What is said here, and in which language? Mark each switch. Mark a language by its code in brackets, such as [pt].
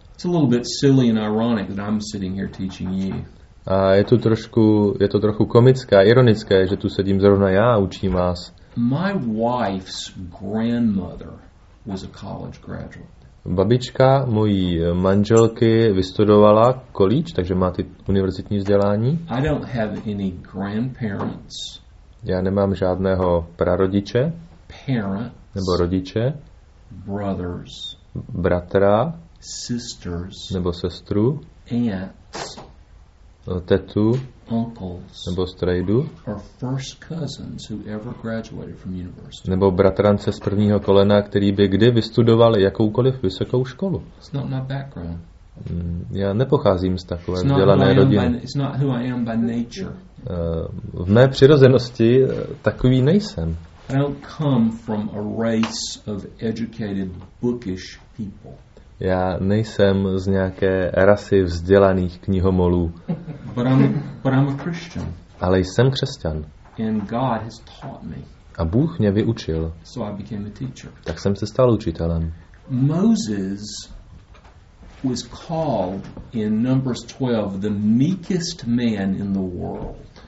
[en] It's a little bit silly and ironic that I'm sitting here teaching you. [cs] A je to trochu komické, ironické, že tu sedím zrovna já a učím vás. [en] My wife's grandmother was a college graduate. [cs] Babička mojí manželky vystudovala college, takže má ty univerzitní vzdělání. [en] I don't have any grandparents. [cs] Já nemám žádného prarodiče. [en] Parents. [cs] Nebo rodiče. [en] Brothers. [cs] Bratra. [en] Sisters. [cs] Nebo sestru. [en] Aunts. [cs] Tetu. [en] Uncles. [cs] Nebo strejdu. [en] Or first cousins who ever graduated from university. [cs] Nebo bratrance z prvního kolena, který by kdy vystudoval jakoukoliv vysokou školu. [en] It's not my background. [cs] Já nepocházím z takové vzdělané rodiny. [en] It's not who I am by nature. [cs] V mé přirozenosti takový nejsem. [en] I don't come from a race of educated bookish people. [cs] Já nejsem z nějaké rasy vzdělaných knihomolů. [en] But I'm a Christian. [cs] Ale jsem křesťan. [en] And God has taught me. [cs] A Bůh mě vyučil. [en] So I became a teacher. [cs] Tak jsem se stal učitelem. [en] Moses was called in Numbers 12 the meekest man in the world.